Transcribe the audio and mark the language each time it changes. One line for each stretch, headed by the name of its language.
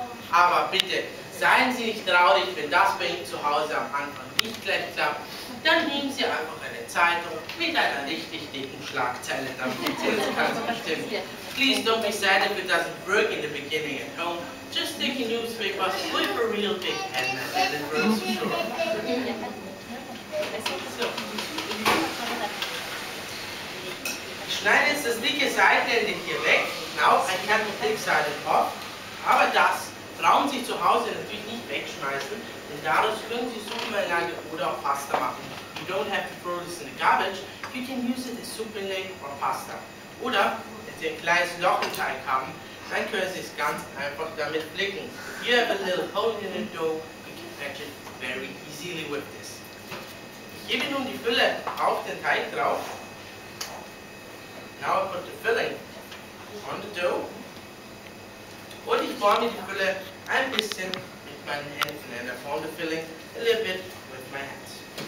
German: Aber bitte, seien Sie nicht traurig, wenn das bei Ihnen zu Hause am Anfang nicht gleich klappt. Dann nehmen Sie einfach eine Zeitung mit einer richtig dicken Schlagzeile, damit Sie das Ganze bestimmen.
English: Please don't be sad if it doesn't work in the beginning at home. Just take a newspaper with a real big pen and it works for sure.
German: So. Ich schneide jetzt das dicke Seitenende hier weg.
English: Now I cut the thick side off.
German: Aber das brauchen Sie zu Hause natürlich nicht wegschmeißen, denn daraus können Sie Suppenbeilage oder auch Pasta machen.
English: You don't have to throw this in the garbage. You can use it as Suppenbeilage or Pasta.
German: Oder, wenn Sie ein kleines Loch im Teig haben, dann können Sie es ganz einfach damit flicken.
English: You have a little hole in the dough. You can patch it very easily with this.
German: Ich gebe nun die Fülle auf den Teig drauf.
English: Now I put the filling on the dough.
German: Und ich forme die Fülle ein bisschen mit meinen Händen.
English: And I form the filling a little bit with my hands.